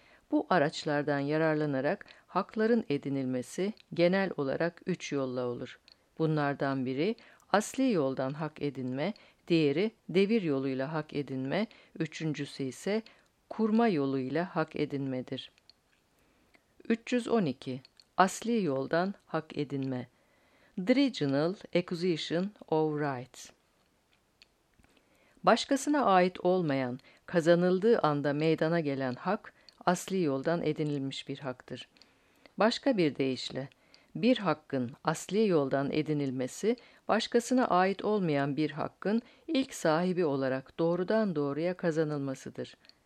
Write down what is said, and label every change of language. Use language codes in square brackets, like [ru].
[tr] Bu araçlardan yararlanarak hakların edinilmesi genel olarak üç yolla olur. Bunlardan biri asli yoldan hak edinme, diğeri devir yoluyla hak edinme, üçüncüsü ise kurma yoluyla hak edinmedir. 312. Asli yoldan hak edinme. [en] The original acquisition of rights. [tr] Başkasına ait olmayan, kazanıldığı anda meydana gelen hak, asli yoldan edinilmiş bir haktır. Başka bir deyişle, bir hakkın asli yoldan edinilmesi, başkasına ait olmayan bir hakkın ilk sahibi olarak doğrudan doğruya kazanılmasıdır.